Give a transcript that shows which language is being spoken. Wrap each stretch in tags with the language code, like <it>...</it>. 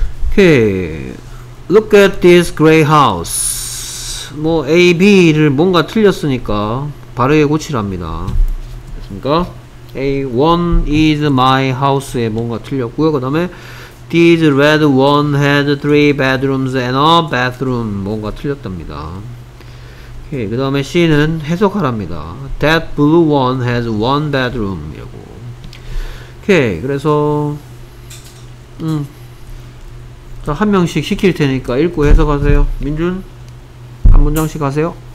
<en>오케이. Look at this gray house.</en> <ko>뭐 A, B를 뭔가 틀렸으니까 바르게 고치랍니다. 됐습니까?</ko> <en>A, one is my house에</en> <ko>뭔가 틀렸고요. 그 다음에</ko> <en>These red one had three bedrooms and a bathroom.</en> <ko>뭔가 틀렸답니다. 오케이, 그 다음에 C는 해석하랍니다.</ko> <en>That blue one has one bedroom.</en> <ko>이라고. 오케이, 그래서 자, 한 명씩 시킬 테니까 읽고 해석하세요. 민준, 한 문장씩 하세요.</ko>